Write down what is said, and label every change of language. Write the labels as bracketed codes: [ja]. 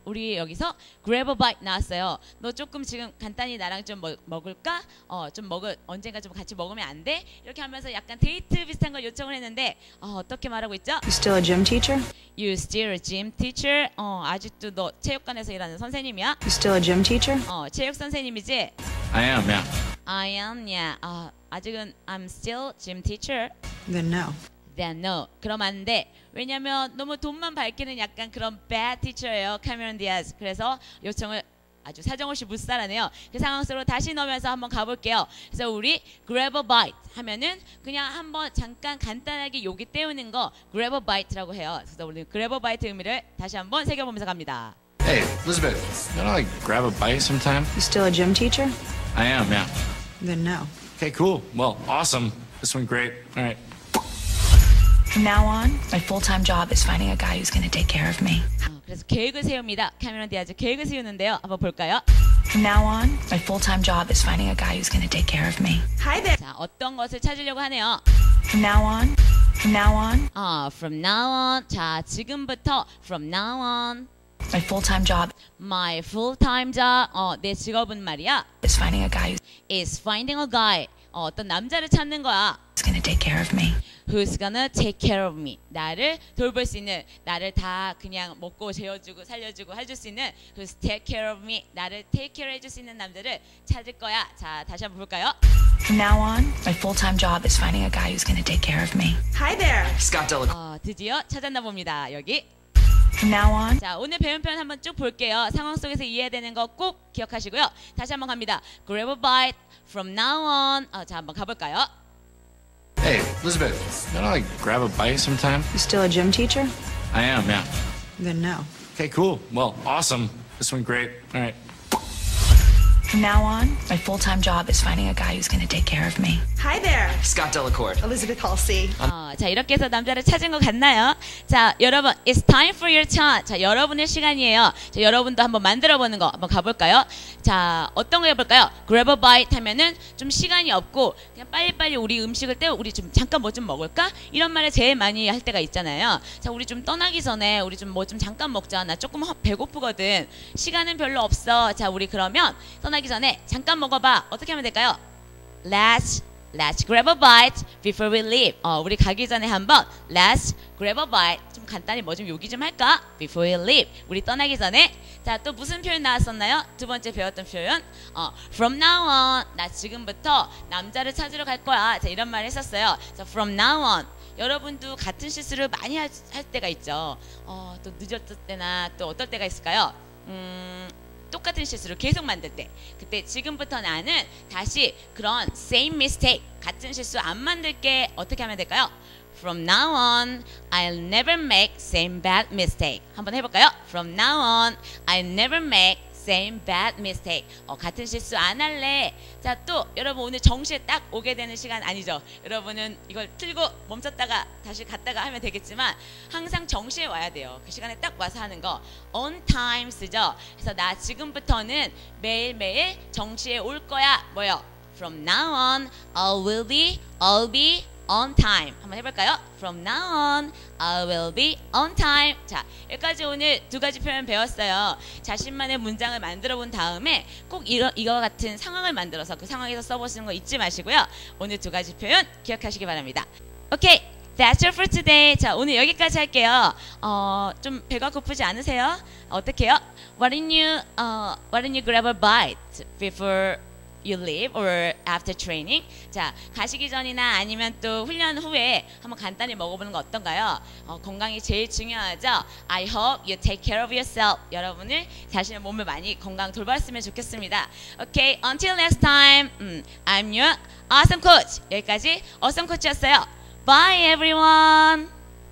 [ko] 우리 여기서 [en] grab a bite [ko] 나왔어요. 너 조금 지금 간단히 나랑 좀 먹을까? 언젠가 좀 같이 먹으면 안 돼? 이렇게 하면서 약간 데이트 비슷한 걸 요청을 했는데 어떻게 말하고 있죠? [en] You still a gym teacher? You still a gym teacher? [ko] 아직도 너 체육관에서 일하는 선생님이야? [en] You still a gym teacher? [ko] 체육 선생님이지? [en] I am, yeah. I am, yeah. [ko] 아직은 [en] I'm still gym teacher? Then no. Then no. [ko] 그럼 안 돼. 왜냐면 너무 돈만 밝히는 약간 그런 [en] bad teacher [ko] 예요. Cameron Diaz. 그래서 요청을 아주 사정없이 무쌀하네요. 그 상황 속으로 다시 넣으면서 한번 가볼게요. 그래서 우리 [en] grab a bite [ko] 하면은 그냥 한번 잠깐 간단하게 요기 때우는 거 grab a bite라고 해요. 그래서 우리 [en] grab a bite [ko] 의미를 다시 한번 새겨보면서 갑니다. [en] Hey, Elizabeth, you know, like, grab a bite sometime? You still a gym teacher? I am, yeah. Then no. Okay, cool. Well, awesome. This went great. All right. From now on, my full-time job is finding a guy who's going to take care of me. [ko] 그래서 계획을 세웁니다. 카메론 디아즈 계획을 세우는데요. 한번 볼까요? [en] From now on, my full-time job is finding a guy who's going to take care of me. Hi there. [ko] 자, 어떤 것을 찾으려고 하네요. [en] From now on, from now on. 아, from now on. [ko] 자, 지금부터 [en] from now on. My full-time job. My full-time job. [ko] 내 직업은 말이야. [en] Is finding a guy. Is finding a guy. [ko] 어떤 남자를 찾는 거야. [en] Who's gonna take care of me? Who's gonna take care of me? [ko] 나를 돌볼 수 있는, 나를 다 그냥 먹고 재워주고 살려주고 해줄 수 있는 [en] Who's take care of me? [ko] 나를 [en] take care [ko] 해줄 수 있는 남자를 찾을 거야. 자, 다시 한번 볼까요? [en] From now on, my full-time job is finding a guy who's gonna take care of me. Hi there. Scott Delacroix. [ko] 드디어 찾았나 봅니다. 여기. [en] From now on. [ko] 자, 오늘 배운 표현 한번 쭉 볼게요. 상황 속에서 이해되는 거 꼭 기억하시고요. 다시 한번 갑니다. [en] Grab a bite from now on. [ko] 자, 한번 가볼까요? [en] Hey, Elizabeth, you know, like, grab a bite sometime? You still a gym teacher? I am, yeah. Then no. Okay, cool. Well, awesome. This went great. All right. From now on, my full-time job is finding a guy who's going to take care of me. Hi there. Scott Delacourt. Elizabeth Halsey. [ko] 자, 이렇게 해서 남자를 찾은 것 같나요? 자, 여러분, [en] it's time for your turn. [ko] 자, 여러분의 시간이에요. 자, 여러분도 한번 만들어보는 거 한번 가볼까요? 자, 어떤 거 해볼까요? [en] Grab a bite [ko] 하면은 좀 시간이 없고 그냥 빨리빨리 우리 음식을 때우고 우리 좀 잠깐 뭐 좀 먹을까? 이런 말을 제일 많이 할 때가 있잖아요. 자, 우리 좀 떠나기 전에 우리 좀 뭐 좀 잠깐 먹자. 나 조금 배고프거든. 시간은 별로 없어. 자, 우리 그러면 떠나기 전에 잠깐 먹어봐. 어떻게 하면 될까요? [en] Let's grab a bite before we leave. [ko] 우리 가기 전에 한번 [en] Let's grab a bite. [ko] 좀 간단히 뭐 좀 요기 좀 할까? [en] Before we leave. [ko] 우리 떠나기 전에. 자, 또 무슨 표현 나왔었나요? 두 번째 배웠던 표현. [en] From now on. [ko] 나 지금부터 남자를 찾으러 갈 거야. 자, 이런 말을 했었어요. [en] So from now on. [ko] 여러분도 같은 실수를 많이 할 때가 있죠. 또 늦었을 때나 또 어떨 때가 있을까요? 똑같은 실수를 계속 만들 때 그때 지금부터 나는 다시 그런 [en] same mistake [ko] 같은 실수 안 만들게 어떻게 하면 될까요? [en] From now on, I'll never make same bad mistake. [ko] 한번 해볼까요? [en] From now on, I'll never make same bad mistake. [ko] 같은 실수 안 할래. 자, 또 여러분 오늘 정시에 딱 오게 되는 시간 아니죠? 여러분은 이걸 틀고 멈췄다가 다시 갔다가 하면 되겠지만 항상 정시에 와야 돼요. 그 시간에 딱 와서 하는 거 on time 쓰죠. 그래서 나 지금부터는 매일매일 정시에 올 거야. 뭐요? [en] From now on, I'll be on time. [ko] 한번 해볼까요? [en] From now on, I will be on time. [ko] 자, 여기까지 오늘 두 가지 표현 배웠어요. 자신만의 문장을 만들어 본 다음에 꼭 이거 같은 상황을 만들어서 그 상황에서 써보시는 거 잊지 마시고요. 오늘 두 가지 표현 기억하시기 바랍니다. [en] Okay, that's all for today. [ko] 자, 오늘 여기까지 할게요. 좀 배가 고프지 않으세요? 어떻게요? [en] Why didn't you grab a bite before you leave or after training? [ko] 자, 가시기 전이나 아니면 또 훈련 후에 한번 간단히 먹어보는 거 어떤가요? 건강이 제일 중요하죠. [en] I hope you take care of yourself. [ko] 여러분을 자신의 몸을 많이 건강 돌봤으면 좋겠습니다. [en] Okay, until next time. I'm your awesome coach. [ko] 여기까지 awesome coach였어요. [en] Bye everyone.